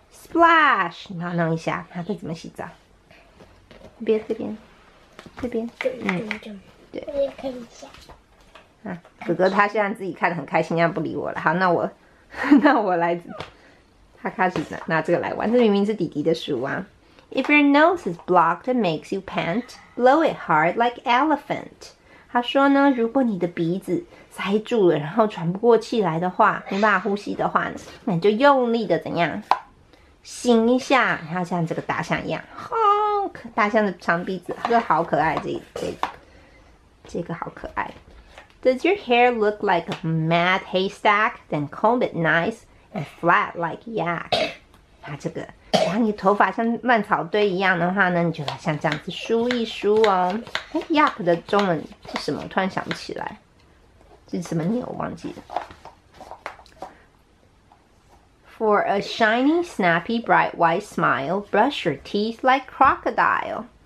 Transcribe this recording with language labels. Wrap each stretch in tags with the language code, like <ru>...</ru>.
<zh>Splash！然后弄一下，它再怎么洗澡？别这边，这边，对，看一下。哥哥他现在自己看得很开心，现在不理我了。好，那我，来，他开始 拿这个来玩。这明明是弟弟的书啊。</zh> <en>If your nose is blocked and makes you pant, blow it hard like elephant.</en> <zh>他说呢，如果你的鼻子塞住了，然后喘不过气来的话，没办法呼吸的话，那你就用力的怎样，擤一下，然后像这个大象一样 ，honk， 大象的长鼻子，这个好可爱，这个好可爱。</zh> <en>Does your hair look like a mad haystack? Then comb it nice and flat like yak.</en> <zh>啊，这个。然后你头发像乱草堆一样的话呢，你就要像这样子梳一梳哦。哎 ，yap 的中文是什么？我突然想不起来，这是什么鸟？我忘记了。</zh> <en>For a shiny, snappy, bright, white smile, brush your teeth like crocodile.</en>